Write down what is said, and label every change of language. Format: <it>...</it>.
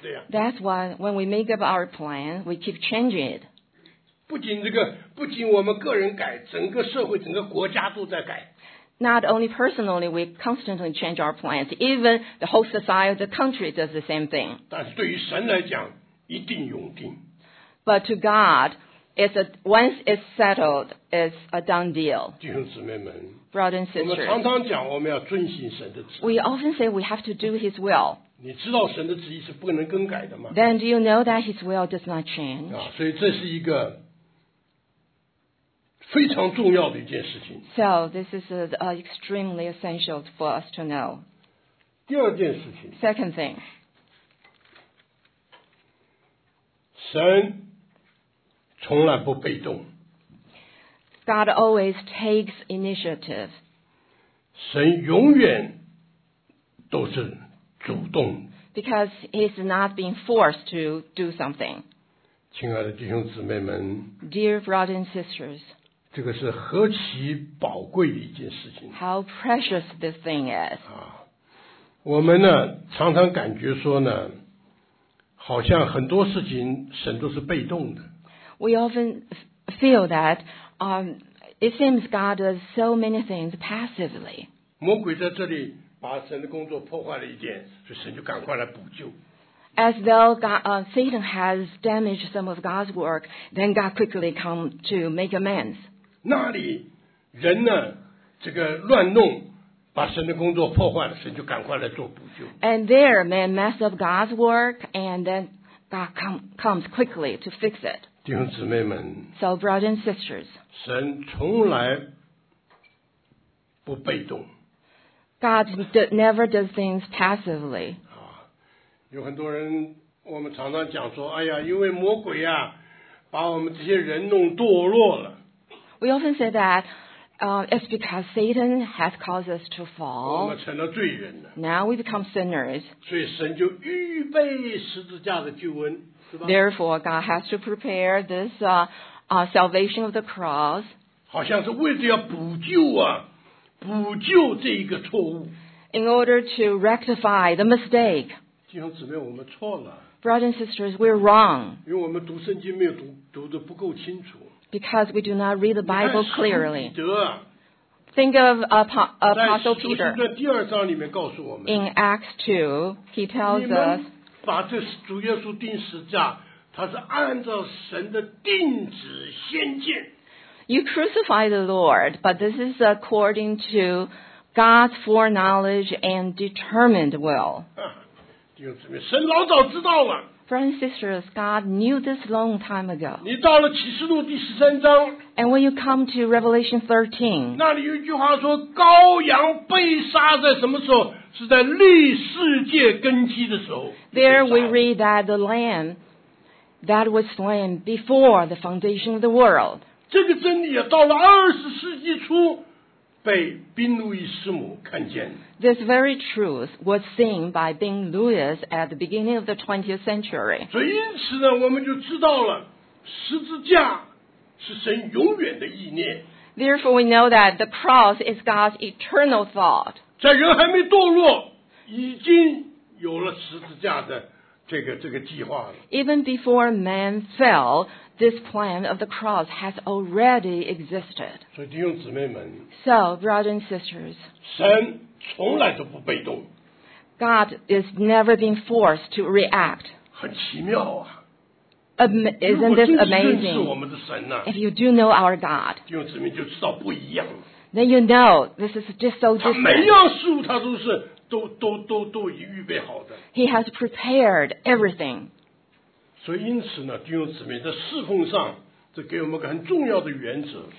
<en>That's why when we make up our plan, we keep changing it.</en> <zh>不仅我们个人改，整个社会，整个国家都在改。</zh> <en>Not only personally, we constantly change our plans. Even the whole society, the country does the same thing.</en> <zh>但是对于神来讲，一定永定。</zh> <en>But to God, once it's settled, it's a done deal.</en> <zh>弟兄姊妹们，</zh> <en>brothers and sisters,</en> <zh>我们常常讲我们要遵行神的旨意。</zh> <en>We often say we have to do His will.</en> <zh>你知道神的旨意是不能更改的吗？</zh> <en>Then do you know that His will does not change?</en> <zh>所以这是一个非常重要的一件事情。</zh> <en>So this is extremely essential for us to know.</en> <zh>第二件事情。</zh> <en>Second thing.</en> <zh>神从来不被动。</zh> <en>God always takes initiative.</en> <zh>神永远都是主动。</zh> <en>Because he's not being forced to do something.</en> <zh>亲爱的弟兄姊妹们。</zh> <en>Dear brothers and sisters.</en> <zh>这个是何其宝贵的一件事情。</zh> <en>How precious this thing is.</en> <zh>我们呢常常感觉说呢，好像很多事情神都是被动的。</zh> <en>We often feel that it seems God does so many things passively.</en> <zh>魔鬼在这里把神的工作破坏了一点，所以神就赶快来补救。</zh> <en>As though Satan has damaged some of God's work, then God quickly come to make amends.</en> <zh>那里人呢这个乱弄把神的工作破坏了，神就赶快来做补救。</zh> <en>And there man mess up God's work and then God comes quickly to fix it.</en> <zh>弟兄姊妹们，</zh> <en>So brothers and sisters,</en> <zh>神从来不被动。</zh> <en>God never does things passively.</en> <zh>有很多人我们常常讲说，哎呀，因为魔鬼啊把我们这些人弄堕落了。</zh> <en>We often say that it's because Satan has caused us to fall.</en> <zh>我们成了罪人了。</zh> <en>Now we become sinners.</en> <zh>所以神就预备十字架的救恩，是吧？</zh> <en>Therefore, God has to prepare this salvation of the cross.</en> <zh>好像是为了要补救啊，补救这一个错误。</zh> <en>In order to rectify the mistake.</en> <zh>弟兄姊妹，我们错了。</zh> <en>Brothers and sisters, we're wrong.</en> <zh>因为我们读圣经没有读得不够清楚。</zh> <en>Because we do not read the Bible clearly.</en> <zh>你看使徒彼得,</zh> <en>Think of Apostle Peter.</en> <zh>在使徒行传第二章里面告诉我们。</zh> <en>In Acts 2, he tells us.</en> <zh>你们把这主耶稣钉十字架，他是按照神的定旨先见。</zh> <en>You crucify the Lord, but this is according to God's foreknowledge and determined will.</en> <zh>弟兄姊妹，神老早知道了。</zh> <en>Brothers and sisters, God knew this long time ago.</en> <zh>你到了启示录第十三章。</zh> <en>And when you come to Revelation 13,</en> <zh>那里有一句话说，羔羊被杀在什么时候？是在立世界根基的时候。</zh> <en>There we read that the lamb that was slain before the foundation of the world.</en> <zh>这个真理也到了二十世纪初。被宾路易师母看见。</zh> <en>This very truth was seen by Bing Lewis at the beginning of the 20th century.</en> <zh>所以因此呢，我们就知道了十字架是神永远的意念。</zh> <en>Therefore, we know that the cross is God's eternal thought.</en> <zh>在人还没堕落，已经有了十字架的这个计划了。</zh> <en>Even before man fell. This plan of the cross has already existed. So,</en> <zh>弟兄姊妹们,</zh> <en>so, brothers and sisters,</en> <zh>神从来都不被动。</zh> <en>God has never been forced to react.</en> <zh>很奇妙啊。</zh> <en>Isn't this amazing?</en> <zh>如果真是认识我们的神</zh> <en>啊, if you do know our God,</en> <zh>弟兄姊妹就知道不一样了。</zh> <en>Then you know this is just so different.</en> <zh>他每样事物他都已经预备好的。</zh> <en>He has prepared everything.</en> <zh>所以因此呢，弟兄姊妹，在侍奉上，这给我们个很重要的原则。</zh>